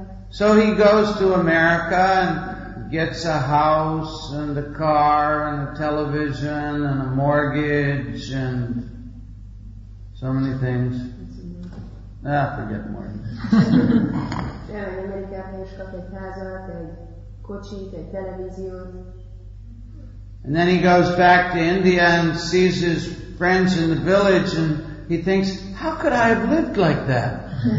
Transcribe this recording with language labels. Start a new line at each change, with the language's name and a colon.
English: So he goes to America and gets a house and a car and a television and a mortgage and so many things. forget more.
Hungarian: Elmegy Amerikába és kap egy házat, egy kocsit, egy televíziót.
English: And then he goes back to India and sees his friends in the village and he thinks, how could I have lived like that?